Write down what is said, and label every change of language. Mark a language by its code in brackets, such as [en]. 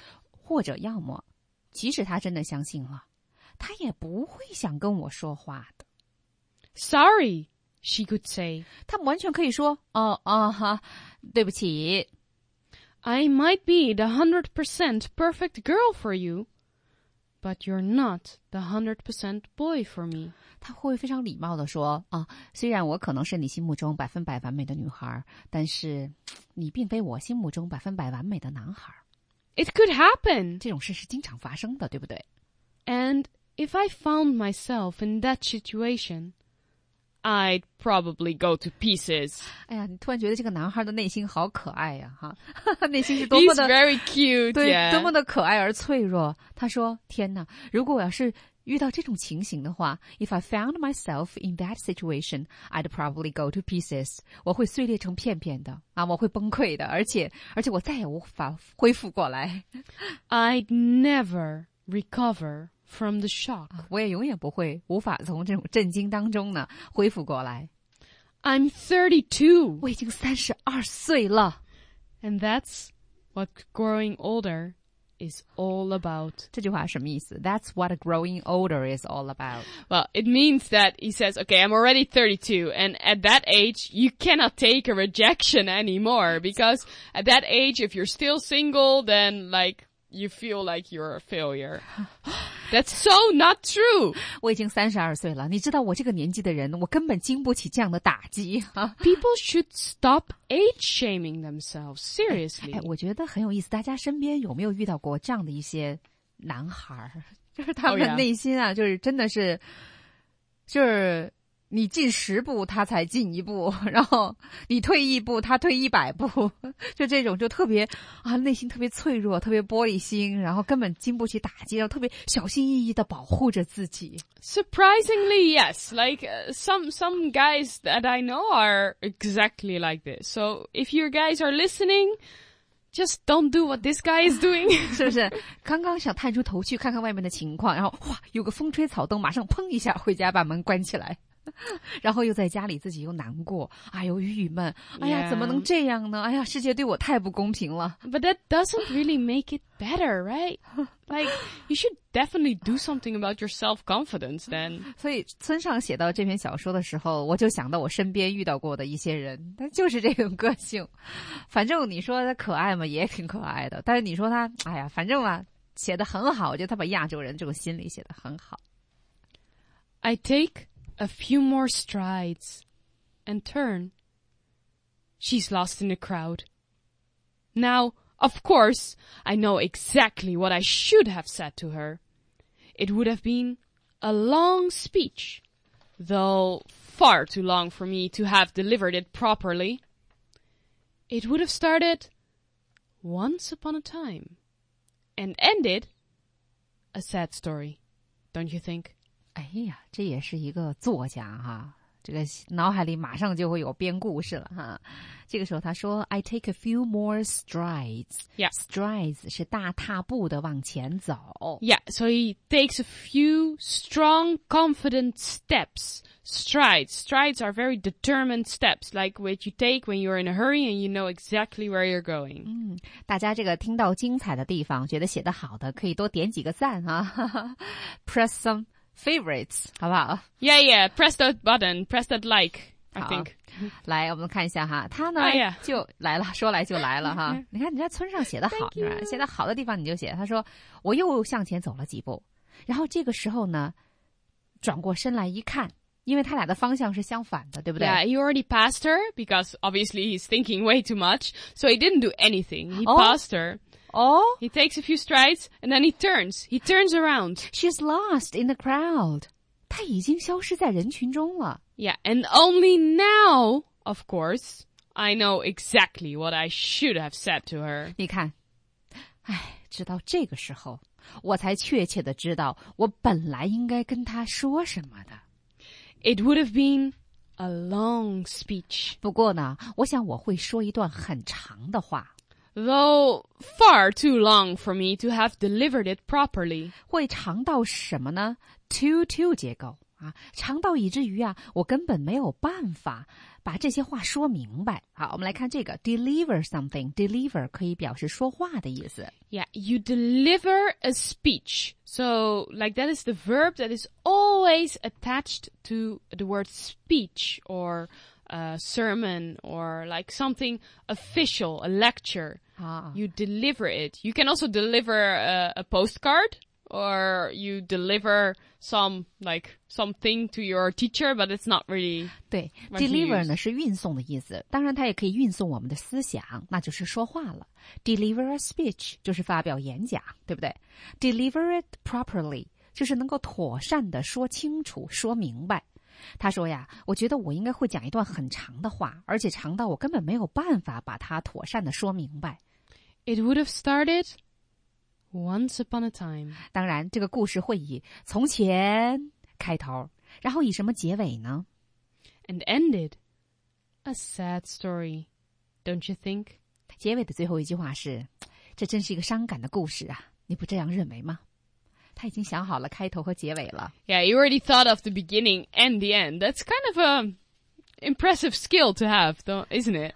[zh] 或者要么，即使他真的相信了，他也不会想跟我说话的。 [en] Sorry, she could say. [zh] 他完全可以说，哦哦哈，对不起。 [en] I might be the 100% perfect girl for you. But you're not the 100% boy for me. [zh] 他会非常礼貌地说啊，虽然我可能是你心目中百分百完美的女孩，但是你并非我心目中百分百完美的男孩。 [en] It could happen. [zh] 这种事是经常发生的，对不对 [en] ？And if I found myself in that situation, I'd probably go to pieces. [zh] 哎呀，你突然觉得这个男孩的内心好可爱呀，哈，内心是多么的 [en] He's very cute, [zh] 对， [en] yeah. [zh] 多么的可爱而脆弱。他说：“天哪，如果我要是遇到这种情形的话 [en] ，If I found myself in that situation, I'd probably go to pieces. [zh] 我会碎裂成片片的啊，我会崩溃的，而且我再也无法恢复过来。 [en] I'd never recover.” From the shock. [zh] 我也永远不会无法从这种震惊当中呢恢复过来。 [en] I'm 32. [zh] 我已经32岁了。 [en] And that's what growing older is all about. [zh] 这句话什么意思? [en] That's what growing older is all about. Well, it means that he says, okay, I'm already 32. And at that age, you cannot take a rejection anymore. Because at that age, if you're still single, then like, you feel like you're a failure. That's so not true. [zh] 我已经32岁了，你知道我这个年纪的人，我根本经不起这样的打击。 [en] People should stop age shaming themselves, seriously. [zh] 我觉得很有意思，大家身边有没有遇到过这样的一些男孩，就是他们内心啊、 [en] oh, yeah. [zh] 就是真的是，就是你进十步他才进一步，然后你退一步他退一百步，就这种就特别啊，内心特别脆弱，特别玻璃心，然后根本经不起打击，然后特别小心翼翼地保护着自己。 [en] Surprisingly yes, like some guys that I know are exactly like this. So if you guys are listening, just don't do what this guy is doing. [zh] 是不是刚刚想探出头去看看外面的情况，然后哇有个风吹草动，马上砰一下回家把门关起来，然后又在家里自己又难过，哎呦郁闷，哎呀、 [en] yeah. [zh] 怎么能这样呢，哎呀世界对我太不公平了。 [en] But that doesn't really make it better, right? Like, you should definitely do something about your self-confidence then. [zh] 所以村上写到这篇小说的时候，我就想到我身边遇到过的一些人，但就是这种个性。反正你说他可爱嘛，也挺可爱的，但是你说他，哎呀反正啊，写得很好，我觉得他把亚洲人这种心理写得很好。 [en] I takeA few more strides and turn. She's lost in the crowd. Now, of course, I know exactly what I should have said to her. It would have been a long speech, though far too long for me to have delivered it properly. It would have started once upon a time and ended a sad story, don't you think? [zh] 哎呀，这也是一个作家哈、啊，这个脑海里马上就会有编故事了哈、啊。这个时候他说 ， [en] I take a few more strides. Yeah, [zh] strides 是大踏步的往前走。 [en] Yeah, so he takes a few strong, confident steps. Strides are very determined steps, like which you take when you're in a hurry and you know exactly where you're going. [zh] 嗯，大家这个听到精彩的地方，觉得写得好的，可以多点几个赞啊， [en] press some. [zh] Favorites, 好不好 [en] Yeah, yeah, press that button, press that like, I think. [zh] 来我们看一下哈，他呢、 [en] oh, yeah. [zh] 就来了，说来就来了哈。你看你在村上写的好，写的好的地方你就写，他说我又向前走了几步，然后这个时候呢转过身来一看，因为他俩的方向是相反的，对不对 [en] ？Yeah, he already passed her because obviously he's thinking way too much, so he didn't do anything. He passed her. Oh, he takes a few strides and then he turns. He turns around. She's lost in the crowd. [zh] 他已经消失在人群中了。 [en] Yeah, and only now, of course, I know exactly what I should have said to her. [zh] 你看，哎，直到这个时候，我才确切的知道我本来应该跟他说什么的。 [en] It would have been a long speech. [zh] 不过呢，我想我会说一段很长的话。 [en] Though far too long for me to have delivered it properly. [zh] 会长到什么呢 ?too 结构。啊，长到以至于啊，我根本没有办法把这些话说明白。好，我们来看这个 deliver something. Deliver 可以表示说话的意思。 [en] Yeah, you deliver a speech. So, like that is the verb that is always attached to the word speech or a sermon or like something official, a lecture.、 Ah. You deliver it. You can also deliver a postcard. Or you deliver something to your teacher, but it's not really. [zh] 对 ，deliver 呢是运送的意思。当然，它也可以运送我们的思想，那就是说话了。 [en] Deliver a speech [zh] 就是发表演讲，对不对 ？ [en] Deliver it properly [zh] 就是能够妥善的说清楚、说明白。他说呀，我觉得我应该会讲一段很长的话，而且长到我根本没有办法把它妥善的说明白。 [en] It would have started. Once upon a time. [zh] 当然这个故事会以从前开头，然后以什么结尾呢 [en] ?And ended. A sad story, don't you think? [zh] 结尾的最后一句话是，这真是一个伤感的故事啊，你不这样认为吗？他已经想好了开头和结尾了。 [en] Yeah, you already thought of the beginning and the end. That's kind of an impressive skill to have, though, isn't it?